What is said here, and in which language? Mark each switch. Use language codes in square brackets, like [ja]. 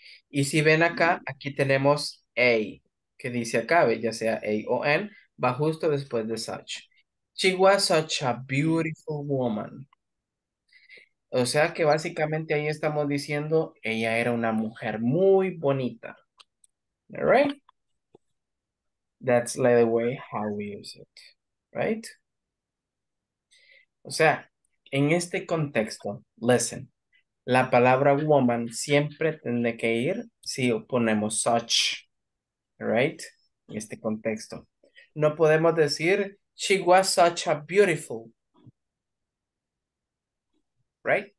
[es] Y si ven acá, aquí tenemos a, que dice acá, ya sea a o n, va justo después de such. [en] She was such a beautiful woman. [es] O sea que básicamente ahí estamos diciendo, ella era una mujer muy bonita. [en] All right? That's like the way how we use it. Right? [es] O sea, en este contexto, listen, la palabra woman siempre tiene que ir si ponemos such, right? En este contexto. No podemos decir, [en] she was such a beautiful, [es] right?